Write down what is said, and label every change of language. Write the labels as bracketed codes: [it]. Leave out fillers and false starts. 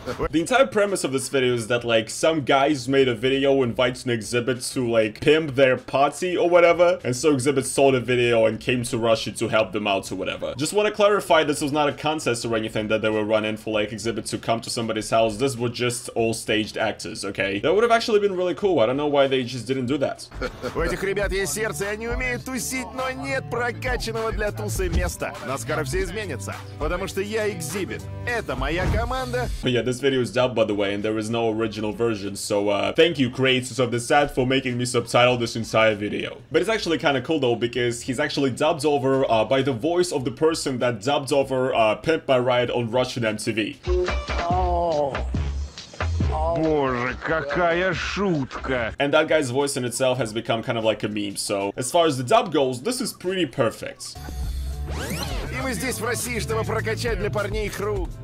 [en] The entire premise of this video is that, like, some guys made a video inviting Xzibit to, like, pimp their party or whatever, and so Xzibit saw the video and came to Russia to help them out or whatever. Just want to clarify, this was not a contest or anything that they were running for, like, Xzibit to come to somebody's house. This were just all staged actors, okay? That would have actually been really cool. I don't know why they just didn't do that. [ru] У этих ребят есть сердце, они умеют тусить, но нет прокачанного для тусы места. Но скоро все изменится, потому что я Xzibit. Это моя команда. [en] But yeah, this video is dubbed, by the way, and there is no original version, so thank you, creators of this ad, for making me subtitle this entire video. But it's actually kind of cool, though, because he's actually dubbed over by the voice of the person that dubbed over Pimp My Ride on Russian MTV. [ru] Боже, какая шутка! [en] And that guy's voice in itself has become kind of like a meme, so as far as the dub goes, this is pretty perfect. [ru] И мы здесь в России, чтобы прокачать для парней игру.